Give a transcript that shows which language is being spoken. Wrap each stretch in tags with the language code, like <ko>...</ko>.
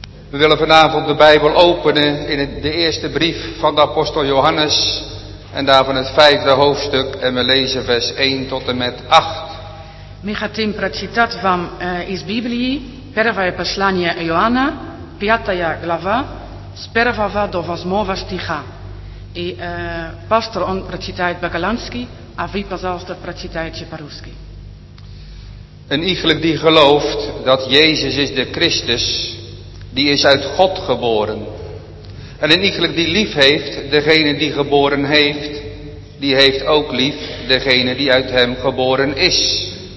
<nl>We willen vanavond de Bijbel openen in de eerste brief van de apostel Johannes en daarvan het vijfde hoofdstuk en we lezen vers 1 tot en met 8.</nl> <ru>Мы хотим прочитать вам из Библии первое послание Иоанна, пятая глава, с первого до восьмого стиха. И пастор он прочитает по-голландски, а вы, пожалуйста, прочитайте по-русски.</ru> <nl>Een iegelijk die gelooft dat Jezus is de Christus. Die is uit God geboren. En een iegelijk die lief heeft, degene die geboren heeft, die heeft ook lief, degene die uit hem geboren is.</nl>